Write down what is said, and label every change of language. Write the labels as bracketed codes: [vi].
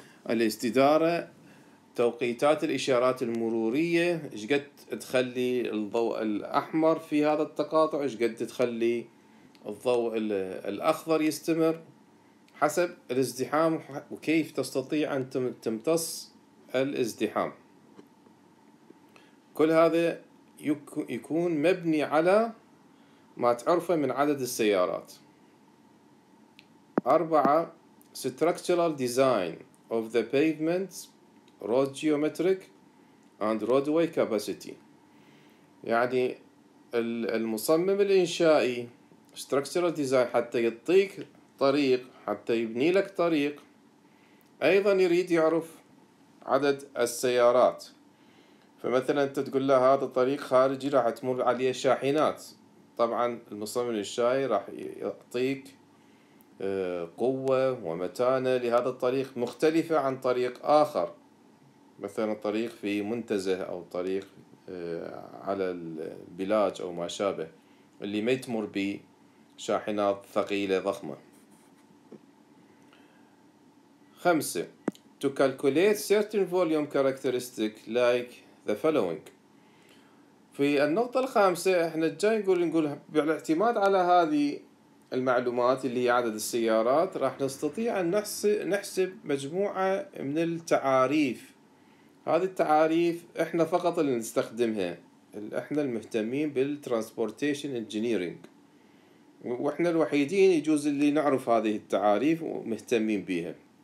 [ar] الاستدارة، توقيتات الإشارات المرورية، إيش قد تخلي الضوء الأحمر في هذا التقاطع، إيش قد تخلي الضوء الأخضر يستمر حسب الازدحام، وكيف تستطيع أن تمتص الازدحام. كل هذا يكون مبني على ما تعرفه من عدد السيارات. 4. [en] Structural design of the pavement, road geometric and roadway capacity. [ar] يعني المصمم الإنشائي structural design حتى يعطيك طريق، حتى يبني لك طريق، أيضا يريد يعرف عدد السيارات. فمثلا أنت تقول له هذا طريق خارجي راح تمر عليه شاحنات، طبعا المصمم الإنشائي راح يعطيك قوة ومتانة لهذا الطريق مختلفة عن طريق آخر، مثلا طريق في منتزه أو طريق على البلاج أو ما شابه اللي ما يتمر به شاحنات ثقيلة ضخمة. 5. [en] To calculate certain volume characteristic like the following. [ar] في النقطة الخامسة احنا جاي نقول بالاعتماد على هذه المعلومات اللي هي عدد السيارات راح نستطيع أن نحسب مجموعة من التعاريف. هذه التعاريف احنا فقط اللي نستخدمها، احنا المهتمين بالترانسبورتيشن انجينيرينج، واحنا الوحيدين يجوز اللي نعرف هذه التعاريف ومهتمين بها.